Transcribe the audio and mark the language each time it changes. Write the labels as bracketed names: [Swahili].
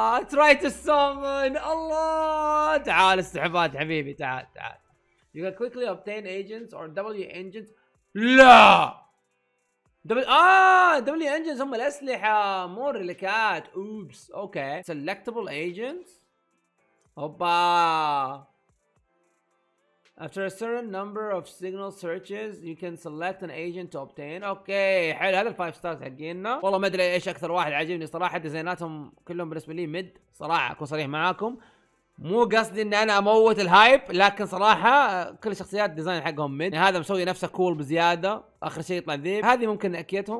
[English] Try to summon. [Arabic] الله تعال استحبات حبيبي، تعال تعال. [English] You can quickly obtain agents or W engines. [Arabic] لا دبليو انجنز هم الاسلحه مو الريليكات. [English] Oops okay. Selectable agents. اوبا. After a certain number of signal searches you can select an agent to obtain. [Arabic] اوكي حلو، هذا الفايف ستارز حقيننا. والله ما ادري ايش اكثر واحد عاجبني صراحه، ديزايناتهم كلهم بالنسبه لي مد صراحه، اكون صريح معاكم. مو قصدي ان انا اموت الهايب، لكن صراحه كل شخصيات ديزاين حقهم مد. يعني هذا مسوي نفسه كول بزياده، اخر شيء يطلع ذيب. هذه ممكن اكيتهم.